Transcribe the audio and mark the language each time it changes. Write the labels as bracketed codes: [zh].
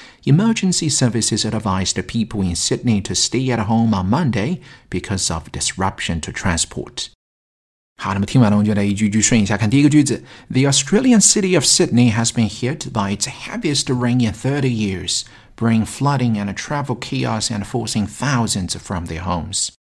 [en] Emergency services advised people in Sydney to stay at home on Monday because of disruption to transport. [zh] 好，那么听完了，我们就来一句句顺一下看第一个句子。 [en] The Australian city of Sydney has been hit by its heaviest rain in 30 years, bringing flooding and travel chaos and forcing thousands from their homes.